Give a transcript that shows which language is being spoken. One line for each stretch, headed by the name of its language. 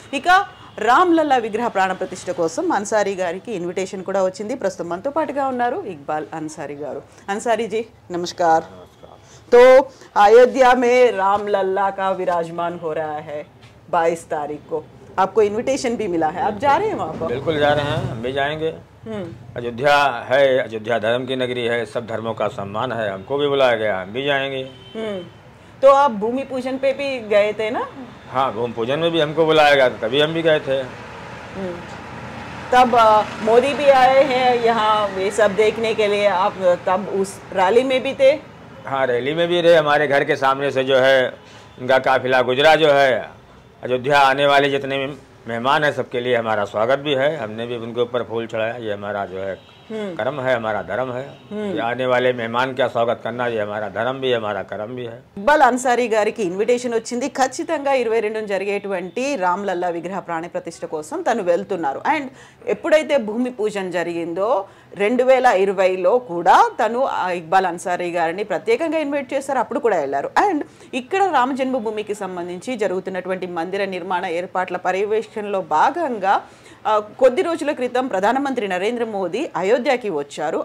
Telugu: ఇక రామ్లల్లా విగ్రహ ప్రాణ ప్రతిష్ఠ కోసం అన్సారీ గారికి ఇన్విటేషన్ కూడా వచ్చింది. ప్రస్తుతం మనతో పాటుగా ఉన్నారు ఇక్బాల్ అన్సారీ గారు. అన్సారీజీ నమస్కార్.
Hindi: తో అయోధ్య మే రామ్లల్లా కా విరాజమాన్ హో రహా హై 22 తారీఖ్ కో आपको इनविटेशन भी मिला है, आप जा रहे हैं वहाँ पर? बिल्कुल जा रहे हैं, हम भी जाएंगे. अयोध्या है, अयोध्या धर्म की नगरी है, सब धर्मों का सम्मान है, हमको भी बुलाया गया, हम भी जाएंगे. तो आप भूमि पूजन पे भी गए थे ना? हाँ, भूमि पूजन में भी हमको बुलाया गया, तभी हम भी गए थे. तब मोदी भी आए हैं यहाँ ये सब देखने के लिए, आप तब उस रैली में भी थे? हाँ, रैली में भी रहे. हमारे घर के सामने से जो है उनका काफिला गुजरा. जो है अयोध्या आने वाले जितने मेहमान हैं सबके लिए हमारा स्वागत भी है, हमने भी उनके ऊपर फूल चढ़ाया. ये हमारा जो है कर्म है, हमारा धर्म है. ये आने वाले मेहमान का स्वागत करना, ये हमारा धर्म भी, हमारा कर्म भी है.
Telugu: इक्बाल अंसारी गारी की इनविटेशन వచ్చింది. ఖచ్చితంగా 22న జరిగేటువంటి రామ్లల్లా విగ్రహ ప్రాణ ప్రతిష్ఠ కోసం తను వెళ్తున్నారు. అండ్ ఎప్పుడైతే భూమి పూజన జరిగిందో 2020లో కూడా తను ఇక్బాల్ అన్సారీ గారిని ప్రత్యేకంగా ఇన్వైట్ చేశారు, అప్పుడు కూడా వెళ్ళారు. అండ్ ఇక్కడ రామ జన్మభూమికి సంబంధించి జరుగుతున్నటువంటి మందిర నిర్మాణ ఏర్పాట్ల పర్యవేక్షణలో భాగంగా కొద్ది రోజుల క్రితం ప్రధానమంత్రి నరేంద్ర మోదీ అయోధ్యకి వచ్చారు.